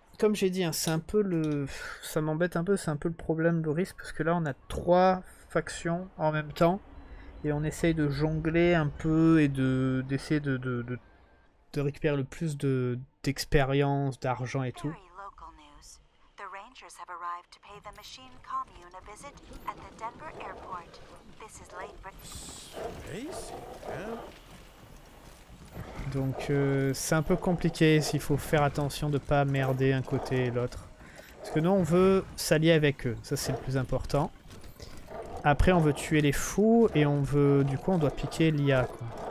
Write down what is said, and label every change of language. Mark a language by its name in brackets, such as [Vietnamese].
[French] Comme j'ai dit, hein, c'est un peu le... Ça m'embête un peu, c'est un peu le problème, Boris, parce que là, on a trois factions en même temps, et on essaye de jongler un peu, et d'essayer de récupérer le plus d'expérience, d'argent et tout. [English] The Rangers have arrived to pay the machine commune a visit at the Denver airport. This is late, but... [French] Donc c'est un peu compliqué, s'il faut faire attention de pas merder un côté et l'autre. Parce que nous on veut s'allier avec eux, ça c'est le plus important. Après on veut tuer les fous et on veut, du coup on doit piquer l'IA quoi.